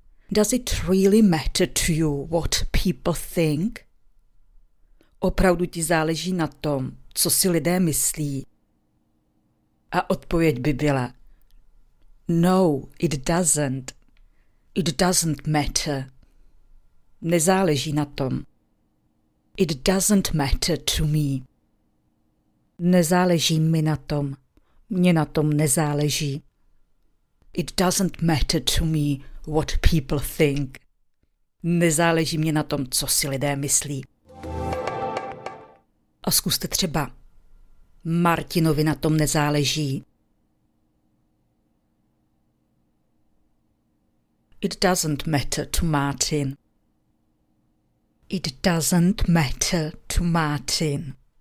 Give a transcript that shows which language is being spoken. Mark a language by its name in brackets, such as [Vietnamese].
[English] Does it really matter to you what people think? [Czech] Opravdu ti záleží na tom, co si lidé myslí? A odpověď by byla [English] No, it doesn't. It doesn't matter. [Czech] Nezáleží na tom. [English] It doesn't matter to me. [Czech] Nezáleží mi na tom. Mně na tom nezáleží. [English] It doesn't matter to me what people think. [Czech] Nezáleží mě na tom, co si lidé myslí. A zkuste třeba Martinovi na tom nezáleží. [English] It doesn't matter to Martin. It doesn't matter to Martin.